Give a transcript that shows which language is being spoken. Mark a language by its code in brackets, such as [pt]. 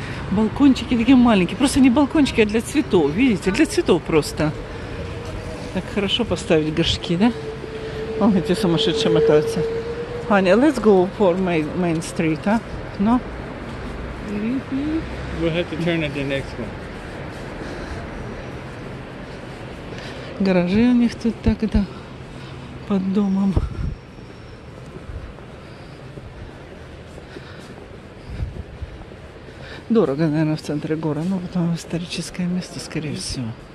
[ru] Балкончики такие маленькие, просто не балкончики, а для цветов, видите, для цветов просто. Так хорошо поставить горшки, да? Вон эти сумасшедшие мотаются. [en] Аня, let's go for main street, а? No? We have to turn at the next one. [ru] Гаражи у них тут так, это под домом. Дорого, наверное, в центре города, но потом историческое место, скорее всего.